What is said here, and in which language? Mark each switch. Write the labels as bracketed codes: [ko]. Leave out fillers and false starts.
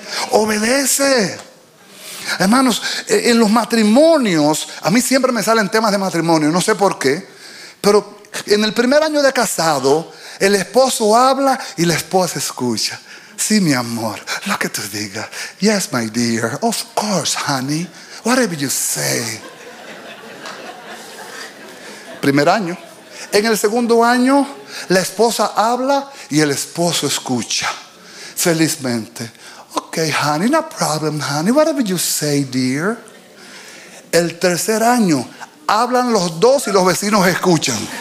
[es] Obedece. Hermanos, en los matrimonios, a mí siempre me salen temas de matrimonio, no sé por qué, pero en el primer año de casado, el esposo habla y la esposa escucha. Sí, mi amor, lo que tú digas. [en] Yes, my dear, of course, honey, whatever you say. [es] Primer año. En el segundo año, la esposa habla y el esposo escucha. Felizmente. [en] Ok, honey, no problem, honey, whatever you say, dear. [es] El tercer año, hablan los dos y los vecinos escuchan.